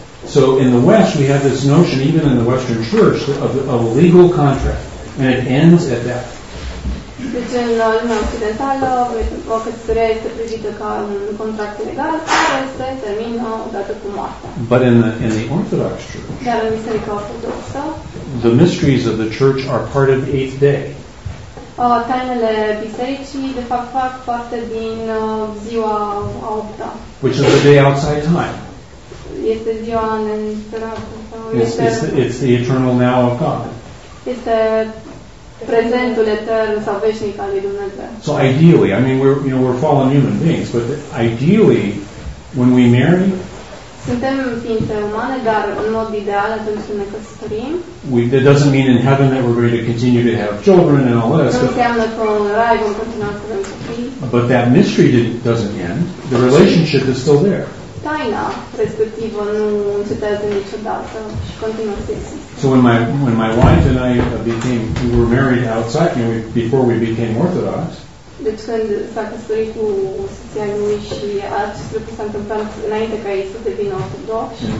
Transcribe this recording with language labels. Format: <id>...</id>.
<en>So in the West, we have this notion, even in the Western Church, of a legal contract, and it ends at that.</en> <ro>Deci, în lumea occidentală, o căsătorie este privită ca un contract legal care se termină odată cu moartea.</ro> <en>But in the Orthodox Church,</en> <ro>dar în Biserica Ortodoxă,</ro> <en>the mysteries of the Church are part of the eighth day.</en> <ro>Tainele bisericii, de fapt, fac parte din ziua a opta.</ro> <en>Which is the day outside time.</en> <ro>Este ziua neînsperată.</ro> <en>It's the eternal now of God.</en> <ro>Este prezentul etern sau veșnic al lui Dumnezeu.</ro> <en>So ideally, I mean, we're fallen human beings, but ideally, when we marry,</en> <ro>suntem ființe umane, dar în mod ideal atunci când ne căsătorim.</ro> <en>That doesn't mean in heaven that we're going to continue to have children and all this.</en> <ro>Nu înseamnă că în rai vom continua să avem copii.</ro> <en>But that mystery doesn't end. The relationship is still there.</en> <ro>Taina respectivă nu încetează niciodată și continuă să existe.</ro> <en>So when my wife and I became, we were married outside, you know, before we became Orthodox.</en> <ro>Deci când s-a căsătorit cu soția lui și acest lucru s-a întâmplat înainte ca ei să devină ortodoxi.</ro>